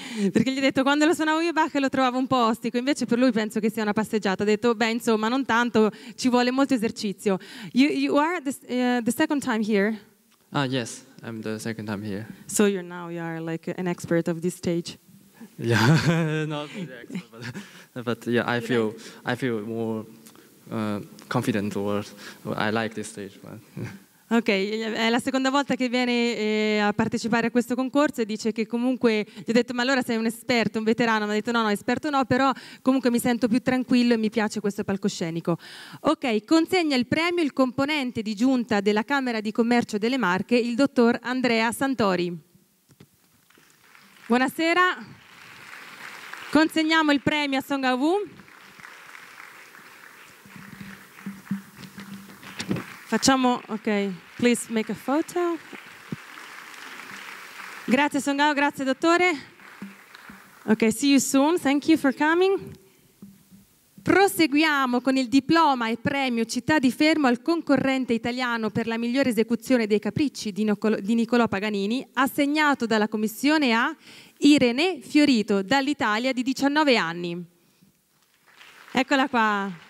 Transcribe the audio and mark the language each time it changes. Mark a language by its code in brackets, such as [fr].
[it] Perché gli ho detto quando lo suonavo io Bach lo trovavo un po' ostico, invece per lui penso che sia una passeggiata. Ha detto beh insomma non tanto, ci vuole molto esercizio. [en] You are the second time here. Ah yes, I'm the second time here. So you're now you are like an expert of this stage. Yeah, not the expert, but yeah, I feel more confident or I like this stage. But, yeah. [it] Ok, è la seconda volta che viene a partecipare a questo concorso e dice che comunque, gli ho detto ma allora sei un esperto, un veterano, mi ha detto no, esperto no, però comunque mi sento più tranquillo e mi piace questo palcoscenico. Ok, consegna il premio il componente di giunta della Camera di Commercio delle Marche, il dottor Andrea Santori. Buonasera, consegniamo il premio a Song Awu. Facciamo, [en] ok, please make a photo. [it] Grazie Songao, grazie dottore. [en] Ok, see you soon, thank you for coming. [it] Proseguiamo con il diploma e premio Città di Fermo al concorrente italiano per la migliore esecuzione dei capricci di Niccolò Paganini, assegnato dalla commissione a Irene Fiorito, dall'Italia di 19 anni. Eccola qua.